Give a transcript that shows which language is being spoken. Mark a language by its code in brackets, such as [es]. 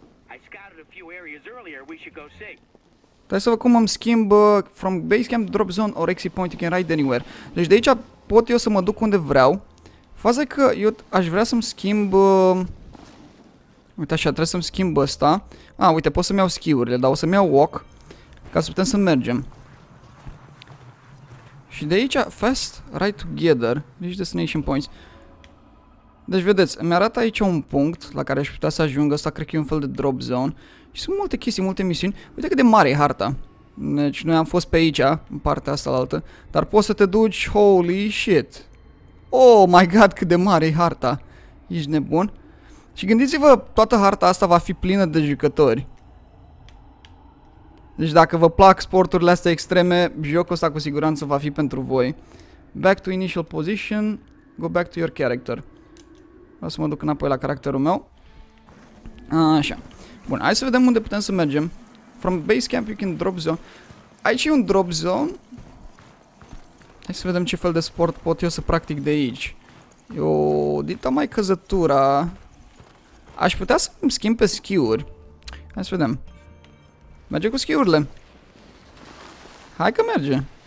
[en] I scouted a few areas earlier we should go see. [ro] Trebuie să văd cum îmi schimb [en] from base camp drop zone or exit point, you can ride anywhere. [ro] Deci de aici pot eu să mă duc unde vreau. Faza e că eu aș vrea să-mi schimb... uite așa, trebuie să-mi schimb ăsta. Ah, uite, pot să-mi iau skill-urile, dar o să-mi iau walk ca să putem să mergem. Și de aici, [en] fast ride together, [ro] deci [en] destination points. [ro] Deci vedeți, mi-arată aici un punct la care aș putea să ajung, ăsta cred că e un fel de drop zone. Și sunt multe chestii, multe misiuni. Uite cât de mare e harta. Deci noi am fost pe aici, în partea asta la altă. Dar poți să te duci, [en] holy shit. Oh my god, [ro] cât de mare e harta. Ești nebun? Și gândiți-vă, toată harta asta va fi plină de jucători. Deci dacă vă plac sporturile astea extreme, jocul ăsta cu siguranță va fi pentru voi. [en] Back to initial position, go back to your character. [ro] O să mă duc înapoi la caracterul meu. Așa. Bun, hai să vedem unde putem să mergem. [en] From base camp you can drop zone. [ro] Aici e un drop zone. Hai să vedem ce fel de sport pot eu să practic de aici. Eu, dita mai căzătura, aș putea să îmi schimb pe skill-uri. Hai să vedem. Merge cu skill-urile. Hai că merge.